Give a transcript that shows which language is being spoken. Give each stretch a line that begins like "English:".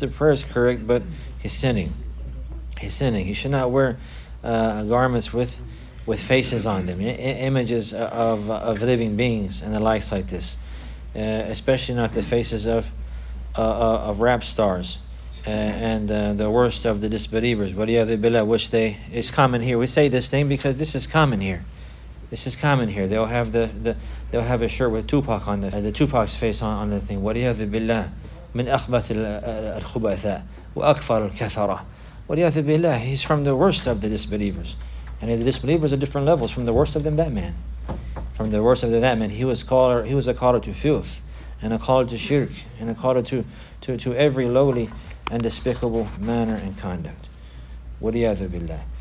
English: The prayer is correct, but he's sinning. He should not wear garments with faces on them, images of living beings and the likes like this, especially not the faces of rap stars. And the worst of the disbelievers, which they, it's common here. We say this thing because this is common here. They'll have the they'll have a shirt with Tupac on the Tupac's face on the thing.
Arabic: من أخبث الخبثاء وأكفر الكثرة والعياذ بالله.
English: He's from the worst of the disbelievers. And the disbelievers are different levels. From the worst of them, that man. From the worst of them, that man. He was a caller to filth and a caller to shirk and a caller to every lowly and despicable manner and conduct.
Arabic: وَلِيَذُ بِاللَّهِ.